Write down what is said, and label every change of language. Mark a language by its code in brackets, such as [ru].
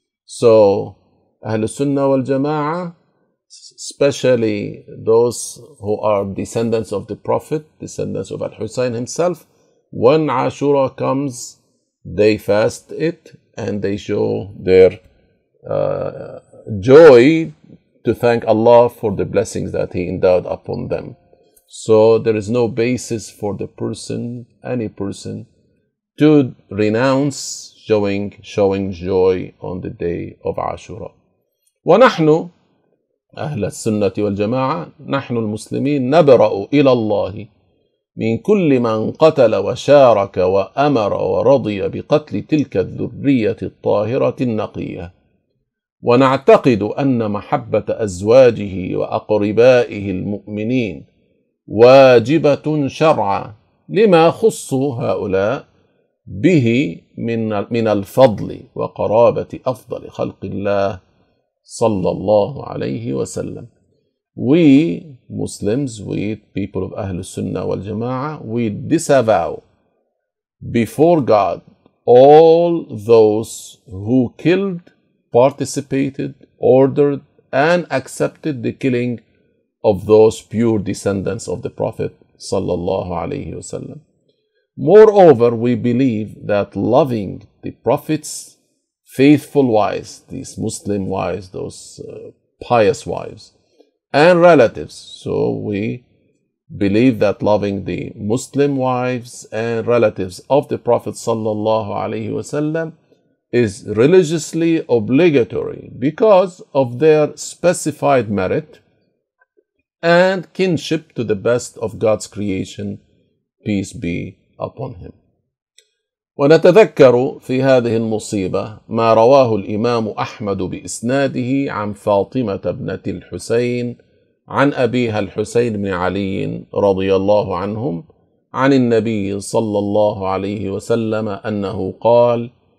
[en] So, Ahl Sunnah wal Jama'ah, especially those who are descendants of the Prophet, descendants of Al-Husayn himself, when Ashura comes, they fast it and they show their joy to thank Allah for the blessings that he endowed upon them. So there is no basis for the person, any person, to renounce showing joy on the day of Ashura. [ar] ونحن أهل السنة والجماعة نحن المسلمين نبرأ إلى الله من كل من قتل وشارك وأمر ورضي بقتل تلك الذرية الطاهرة النقية، ونعتقد أن محبة أزواجه وأقربائه المؤمنين واجبة شرعا لما خص هؤلاء به من الفضل وقرابة أفضل خلق الله صلى الله عليه وسلم. [en] We Muslims, we people of Ahlul Sunnah wal Jama'ah, we disavow before God all those who killed, participated, ordered, and accepted the killing of those pure descendants of the Prophet [ar] sallallahu alayhi wasallam. [en] Moreover, we believe that loving the Prophet's faithful wives, these Muslim wives, those pious wives, and relatives. So we believe that loving the Muslim wives and relatives of the Prophet [ar] sallallahu alayhi wasallam [en] is religiously obligatory because of their specified merit and kinship to the best of God's creation, peace be upon him. [ar] ونتذكر في هذه المصيبة ما رواه الإمام أحمد بإسناده عن فاطمة بنت الحسين عن أبيها الحسين بن علي رضي الله عنهم عن النبي صلى الله عليه وسلم أنه قال